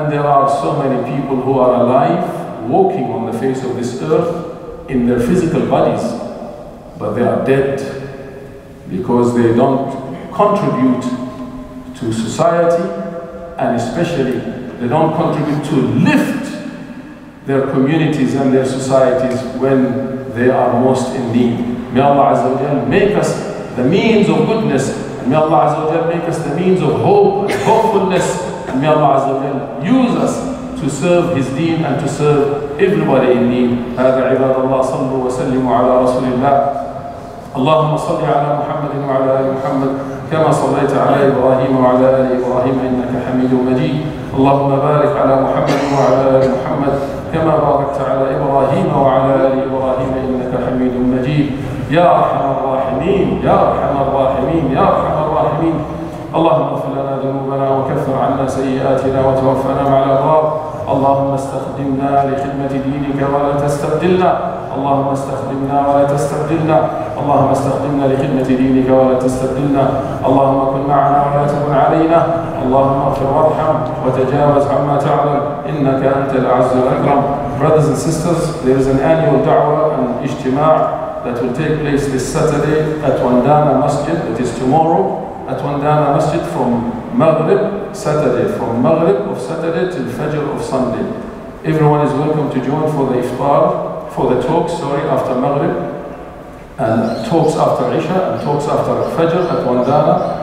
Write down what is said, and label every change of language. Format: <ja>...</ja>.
<en>And there are so many people who are alive, walking on the face of this earth in their physical bodies, but they are dead because they don't contribute to society, and especially they don't contribute to lift their communities and their societies when they are most in need. May Allah Azza wa Jal make us the means of goodness, and may Allah Azza wa Jal make us the means of hope and hopefulness, and may Allah Azza wa Jal use us to serve His deen and to serve everybody in need.</en> <ar>هذا عباد الله صلوا وسلموا على رسول الله. اللهم صل على محمد وعلى آل محمد كما صليت على إبراهيم وعلى آل إبراهيم إنك حميد مجيد. اللهم بارك على محمد وعلى آل محمد كما باركت على إبراهيم وعلى آل إبراهيم إنك حميد مجيد. يا أرحم الراحمين يا أرحم الراحمين يا أرحم الراحمين. اللهم اغفر لنا ذنوبنا وكفر عنا سيئاتنا وتوفنا مع الأبرار. اللهم استخدمنا لخدمة دينك ولا تستبدلنا. اللهم استخدمنا ولا تستبدلنا. اللهم استخدمنا لخدمة دينك ولا تستبدلنا. اللهم كن معنا ولا تكن علينا. اللهم اغفر وارحم وتجاوز عما تعلم إنك أنت العز الأكرم.</ar> <en>Brothers and sisters, there is an annual da'wah and اجتماع that will take place this Saturday at Wandana Masjid. It is tomorrow at Wandana Masjid from Maghrib Saturday, from Maghrib of Saturday till Fajr of Sunday. Everyone is welcome to join for the iftar, for the talks, sorry, after Maghrib, and talks after Isha, and talks after Fajr at Wandana.</en>